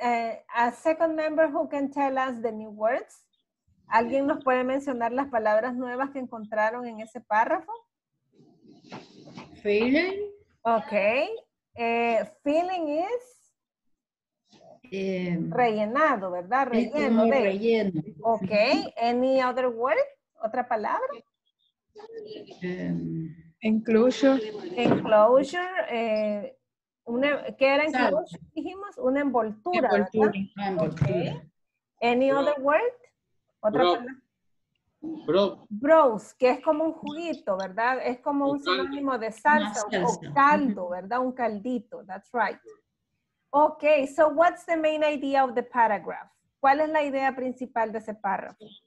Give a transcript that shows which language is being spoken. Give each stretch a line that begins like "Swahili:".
English: A second member who can tell us the new words.
Spanish: ¿Alguien nos puede mencionar las palabras nuevas que encontraron en ese párrafo?
English: Feeling. Okay. Feeling is.
Spanish: Rellenado, ¿verdad? Relleno. De... relleno.
English: Ok. Any other word?
Spanish: ¿Otra palabra?
English: Enclosure.
Spanish: Enclosure. ¿Qué era enclosure? Dijimos una envoltura. Envoltura.
English: Okay. Any other word?
Spanish: ¿Otra palabra? Broth. Que es como un juguito, ¿verdad? Es como un sinónimo de salsa. O caldo, ¿verdad? Un caldito.
English: That's right. Okay, so what's the main idea of the paragraph?
Spanish: ¿Cuál es la idea principal de ese párrafo?